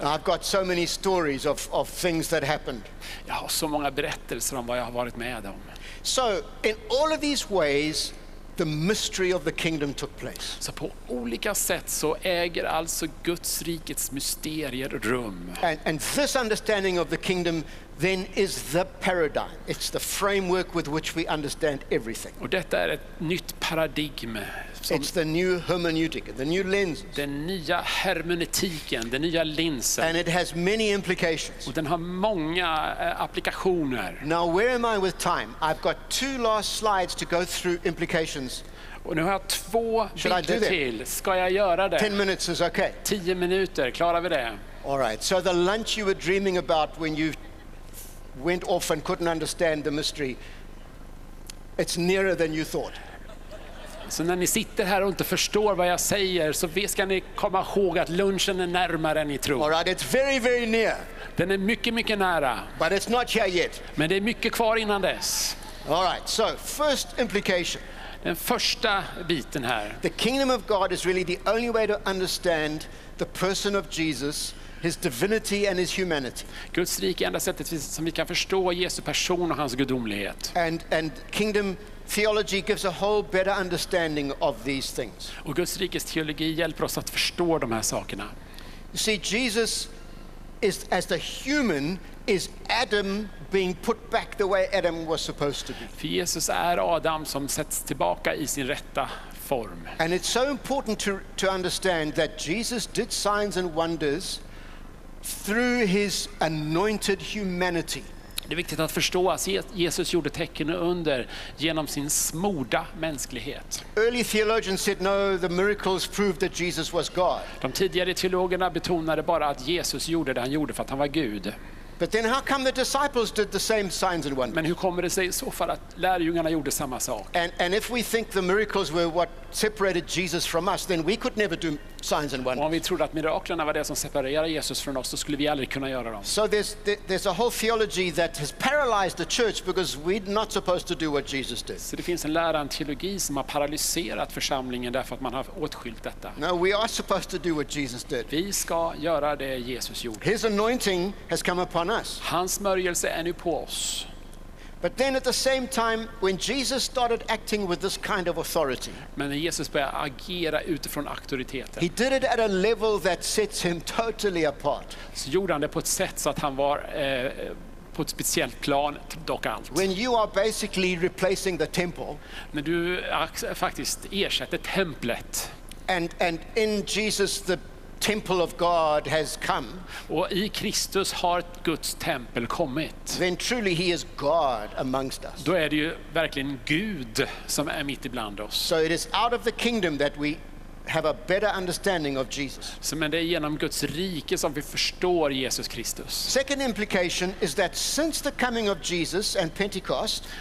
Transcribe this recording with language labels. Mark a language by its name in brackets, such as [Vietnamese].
[English] I've got so many stories of things that happened. [Swedish] Jag har så många berättelser om vad jag har varit med om. [English] So in all of these ways the mystery of the kingdom took place. [Swedish] Så på olika sätt så äger alltså Guds rikets mysterier rum. [English] And this understanding of the kingdom then is the paradigm. It's the framework with which we understand everything. [Swedish] Och detta är ett nytt paradigm. [English] It's the new hermeneutic, the new lens. [Swedish] Den nya hermeneutiken, den nya linsen. [English] And it has many implications. [Swedish] Och den har många applikationer. [English] Now where am I with time? I've got two last slides to go through implications. [Swedish] Och nu har jag två bilder till. Ska jag göra det? [English] 10 minutes is okay. [Swedish] 10 minuter, klarar vi det? [English] All right. So the lunch you were dreaming about when you went off and couldn't understand the mystery. It's nearer than you thought. [Swedish] Så när ni sitter här och inte förstår vad jag säger så ska ni komma ihåg att lunchen är närmare än ni tror. [English] All right, it's very very near. [Swedish] Den är mycket mycket nära. [English] But it's not here yet. [Swedish] Men det är mycket kvar innan dess. [English] All right, so first implication. [Swedish] Den första biten här. [English] The kingdom of God is really the only way to understand the person of Jesus. His divinity and his humanity. [Swedish] Guds rike är enda sättet som vi kan förstå Jesu person och hans gudomlighet. [English] And kingdom theology gives a whole better understanding of these things. [Swedish] Och Guds rikes teologi hjälper oss att förstå de här sakerna. [English] You see, Jesus is as the human is Adam being put back the way Adam was supposed to be. [Swedish] För Jesus är Adam som sätts tillbaka i sin rätta. [English] And it's so important to understand that Jesus did signs and wonders through his anointed humanity. [Swedish] Det är viktigt att förstå att Jesus gjorde tecken under genom sin smorda mänsklighet. [English] Early theologians said no, the miracles proved that Jesus was God. [Swedish] De tidigare teologerna betonade bara att Jesus gjorde det han gjorde för att han var Gud. [English] But then how come the disciples did the same signs and wonders? [Swedish] Men hur kommer det sig i så fall att lärjungarna gjorde samma sak? [English] And if we think the miracles were what separated Jesus from us, then we could never do signs and wonders. [Swedish] Om vi trodde att miraklerna var det som separerade Jesus från oss, så skulle vi aldrig kunna göra dem. [English] So there's a whole theology that has paralyzed the church because we're not supposed to do what Jesus did. [Swedish] Så det finns en lärande teologi som har paralyserat församlingen därför att man har åtskilt detta. [English] No, we are supposed to do what Jesus did. [Swedish] Vi ska göra det Jesus gjorde. [English] His anointing has come upon us. [Swedish] Hans smörjelse är nu på oss. [English] But then at the same time when Jesus started acting with this kind of authority. [Swedish] Men när Jesus började agera utifrån auktoriteten. [English] He did it at a level that sets him totally apart. [Swedish] Så gjorde han det på ett sätt så att han var på ett speciellt plan dock allt. [English] When you are basically replacing the temple. [Swedish] När du faktiskt ersätter templet. [English] And in Jesus the temple of God has come. [Swedish] Och I Kristus har Guds tempel kommit. [English] Then truly he is God amongst us. [Swedish] Då är det ju verkligen Gud som är mitt ibland oss. [English] So it is out of the kingdom that we have a better understanding of Jesus. [Swedish] Så men det är genom Guds rike som vi förstår Jesus Kristus. [English] Second implication is that since the coming of Jesus and Pentecost.